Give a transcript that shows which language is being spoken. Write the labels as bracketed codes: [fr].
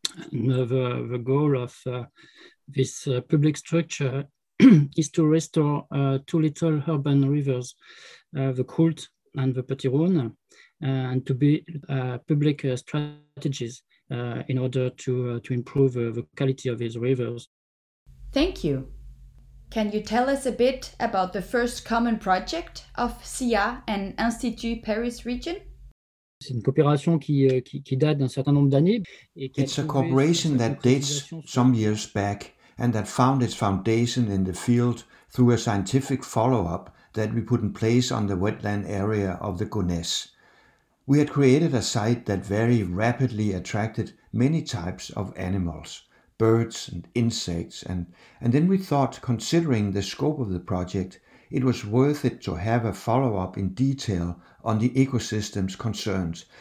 [en] And the goal of this public structure is to restore two little urban rivers, the Croult and the Petit Rhône, and to build public strategies in order to improve the quality of these rivers. Thank you. Can you tell us a bit about the first common project of CIA and Institut Paris Region? [fr] C'est une coopération qui date d'un certain nombre d'années. [en] It's a cooperation that dates some years back and that found its foundation in the field through a scientific follow-up that we put in place on the wetland area of the Gonesse. We had created a site that very rapidly attracted many types of animals, birds and insects, and then we thought, considering the scope of the project, it was worth it to have a follow-up in detail on the ecosystem's concerns.